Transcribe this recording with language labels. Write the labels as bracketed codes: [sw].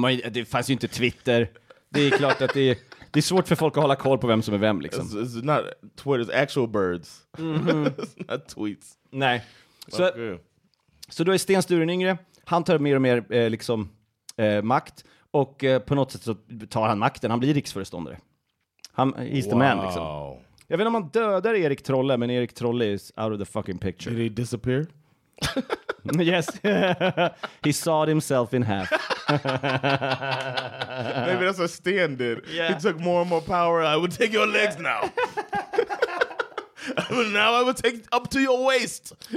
[sv] Det fanns ju inte Twitter. Det är klart att det är svårt för folk att hålla koll på vem som är vem, liksom. [en] It's not Twitter, it's actual birds. Mm-hmm. It's not tweets. [sv] Nej. Okay. Så då är Sten Sture yngre. Han tar mer och mer makt. Och på något sätt så tar han makten. Han blir riksföreståndare. [en] He's the man, [sv] liksom. [en] Wow. [sv] Jag vet inte om han dödar Erik Trolle, men Erik Trolle [en] is out of the fucking picture. Did he disappear? Yes. He sawed himself in half. Maybe that's what Stan did. Yeah. He took more and more power. I will take your legs now. Now I will take up to your waist.